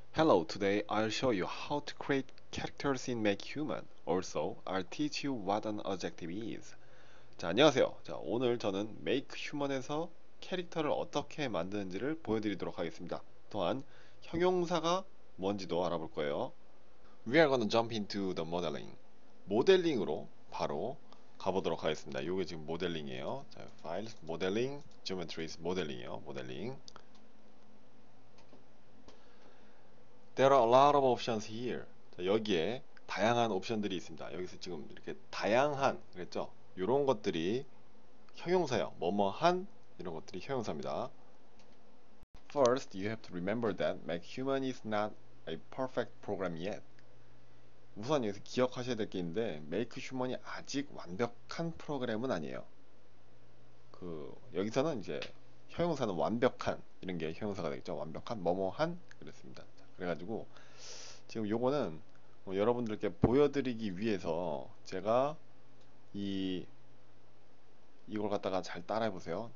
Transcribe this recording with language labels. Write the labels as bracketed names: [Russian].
[English] Hello, today I'll show you how to create characters in MacHuman. Also, I'll teach you what an adjective is. [Korean] 자, 안녕하세요. 자, 오늘 저는 MacHuman에서 캐릭터를 어떻게 만드는지를 보여드리도록 하겠습니다. 또한 형용사가 뭔지도 알아볼 거예요. [English] We are gonna jump into the modeling. [Korean] 모델링으로 바로 가보도록 하겠습니다. 이게 지금 모델링이에요. 자, files, modeling, geometries, 모델링이에요. 모델링. [English] There are a lot of options here. [Korean] 자, 여기에 다양한 옵션들이 있습니다. 여기서 지금 이렇게 다양한 그랬죠? 이런 것들이 형용사예요. 뭐뭐한 이런 것들이 형용사입니다. [English] First, you have to remember that MacHuman is not a perfect program yet. [Korean] 우선 여기서 기억하셔야 될게 있는데, MacHuman이 아직 완벽한 프로그램은 아니에요. 여기서는 이제 형용사는 완벽한 이런 게 형용사가 되겠죠? 완벽한 뭐뭐한 그랬습니다. 그래가지고 지금 요거는 여러분들께 보여드리기 위해서 제가 이걸 갖다가 잘 따라해 보세요.